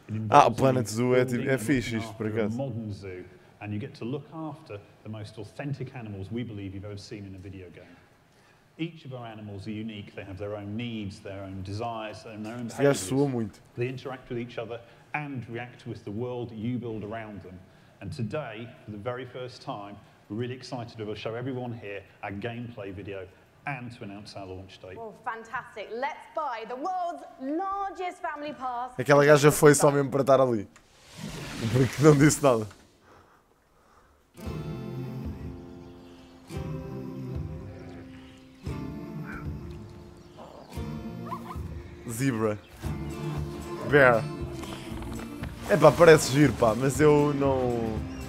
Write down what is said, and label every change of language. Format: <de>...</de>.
<pt>Ah, o Planet Zoo é, tipo, é fixe isto, por acaso.</pt> <en>And you get to look after the most authentic animals we believe you've ever seen in a video game. Each of our animals are unique. They have their own needs, their own desires, and their own behaviors. They interact with each other and react with the world you build around them. And today, for the very first time, we're really excited to show everyone here a gameplay video and to announce our launch date. Well, fantastic. Let's buy the world's largest family pass.</en> <pt>Aquela gaja foi só mesmo para estar ali. Porque não disse nada.</pt> <en>Zebra. Bear.</en> <pt>É pá, parece giro, pá, mas eu não.</pt>